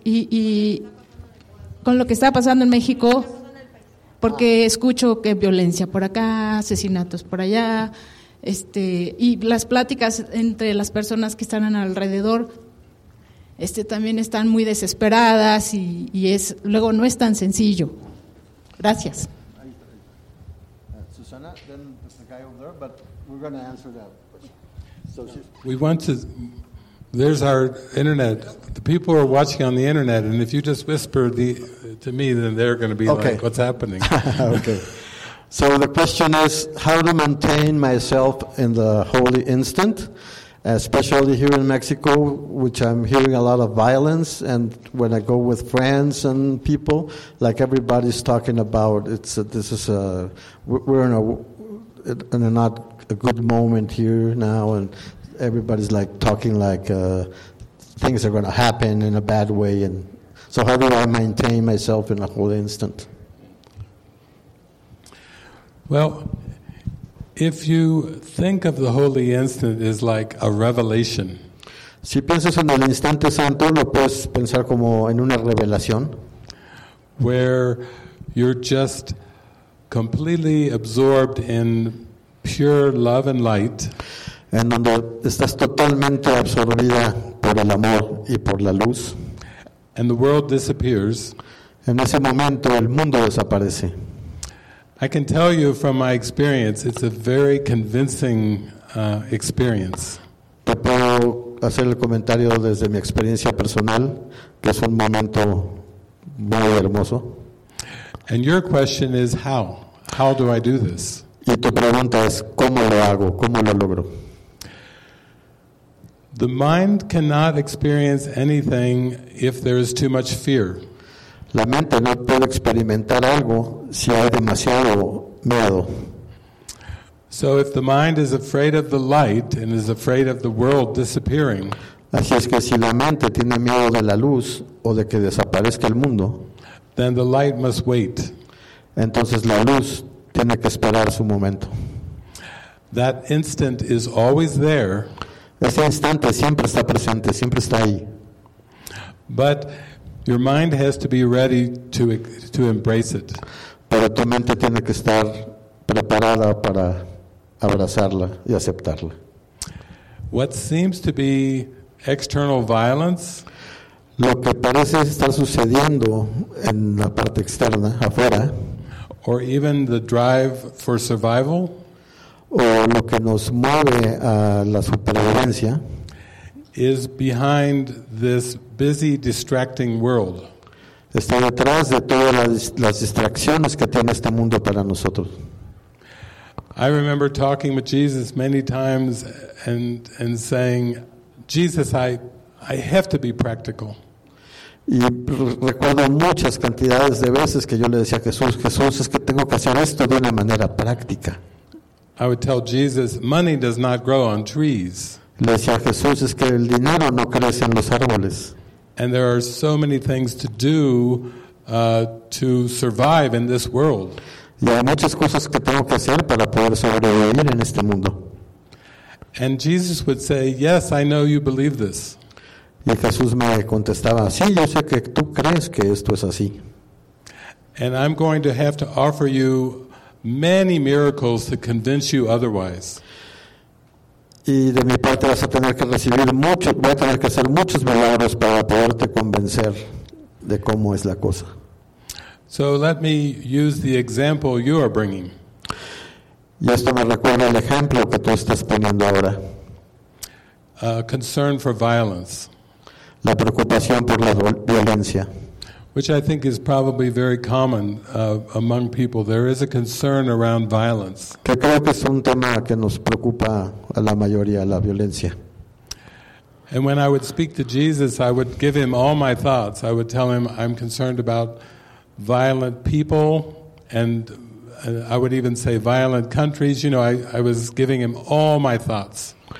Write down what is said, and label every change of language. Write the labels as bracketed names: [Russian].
[Spanish] Y con lo que está pasando en México, porque escucho que violencia por acá, asesinatos por allá, y las pláticas entre las personas que están alrededor también están muy desesperadas y es luego no es tan sencillo. Gracias. [English] Susana, then there's the guy over there, but we're going to answer that question. So we want to. There's our internet. The people are watching on the internet, and if you just whisper to me, then they're going to be okay. Like, "What's happening?" Okay. So the question is, how to maintain myself in the holy instant, especially here in Mexico, which I'm hearing a lot of violence, and when I go with friends and people, like everybody's talking about, we're in a not a good moment here now, and everybody's like talking like things are going to happen in a bad way, and so how do I maintain myself in a holy instant? Well, if you think of the holy instant as like a revelation, [Spanish] si piensas en el instante santo, lo puedes pensar como en una revelación, [English] where you're just completely absorbed in pure love and light, [Spanish] en donde estás totalmente absorbida por el amor y por la luz, [English] and the world disappears, [Spanish] en ese momento el mundo desaparece. [English] I can tell you from my experience, it's a very convincing experience. [Spanish] Te puedo hacer el comentario desde mi experiencia personal, que es un momento muy hermoso. [English] And your question is how? How do I do this? [Spanish] Y tu pregunta es cómo lo hago, cómo lo logro. [English] The mind cannot experience anything if there is too much fear. [Spanish] La mente no puede experimentar algo si hay demasiado miedo. [English] So if the mind is afraid of the light and is afraid of the world disappearing, [Spanish] así es que si la mente tiene miedo de la luz o de que desaparezca el mundo, [English] then the light must wait. [Spanish] Entonces la luz tiene que esperar su momento. [English] That instant is always there. [Spanish] Ese instante siempre está presente, siempre está ahí. [English] But your mind has to be ready to embrace it. [Spanish] Pero tu mente tiene que estar preparada para abrazarla y aceptarla. [English] What seems to be external violence, [Spanish] lo que parece estar sucediendo en la parte externa, afuera, [English] or even the drive for survival, [Spanish] o lo que nos mueve a la supervivencia, [English] is behind this busy, distracting world. [Spanish] Está detrás de todas las distracciones que tiene este mundo para nosotros. [English] I remember talking with Jesus many times and saying, Jesus, I have to be practical. [Spanish] Y recuerdo muchas cantidades de veces que yo le decía a Jesús, Jesús, es que tengo que hacer esto de una manera práctica. [English] I would tell Jesus, money does not grow on trees. [Spanish] Le decía a Jesús, es que el dinero no crece en los árboles. [English] And there are so many things to do to survive in this world. [Spanish] Y hay muchas cosas que tengo que hacer para poder sobrevivir en este mundo. [English] And Jesus would say, yes, I know you believe this. [Spanish] Y Jesús me contestaba, sí, yo sé que tú crees que esto es así. [English] And I'm going to have to offer you many miracles to convince you otherwise. [Spanish] Y de mi parte vas a tener que recibir muchos, voy a tener que hacer muchos milagros para poderte convencer de cómo es la cosa. [English] So let me use the example you are bringing. [Spanish] Y esto me recuerda el ejemplo que tú estás poniendo ahora. [English] Concern for violence. [Spanish] La preocupación por la violencia. [English] Which I think is probably very common among people. There is a concern around violence. [Spanish] Que creo que es un tema que nos preocupa a la mayoría, la violencia. [English] And when I would speak to Jesus, I would give him all my thoughts. I would tell him I'm concerned about violent people, and I would even say violent countries. You know, I was giving him all my thoughts.